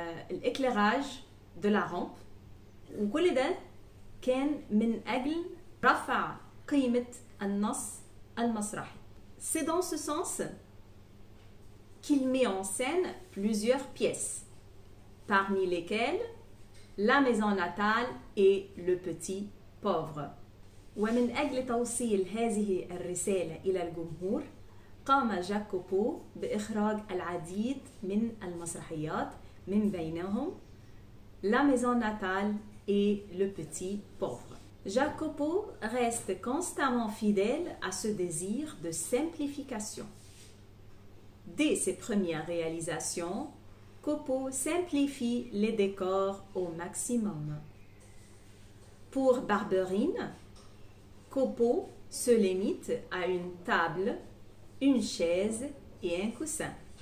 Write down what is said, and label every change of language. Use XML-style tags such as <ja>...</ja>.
<fr>للإكلاراج دو لا رامب</fr> <ar>وكل ده كان من أجل رفع قيمة النص المسرحي.</ar> <fr>C'est dans ce sens qu'il met en scène plusieurs pièces, parmi lesquelles La Maison Natale et Le Petit Pauvre.</fr> <ar>ومن أجل توصيل هذه الرسالة إلى الجمهور قام جاك كوبو بإخراج العديد من المسرحيات من بينهم La Maison Natale et Le Petit Pauvre.</ar> <fr>Jacques Copeau reste constamment fidèle à ce désir de simplification. Dès ses premières réalisations, Copeau simplifie les décors au maximum. Pour Barberine, Copeau se limite à une table, une chaise et un coussin.</fr>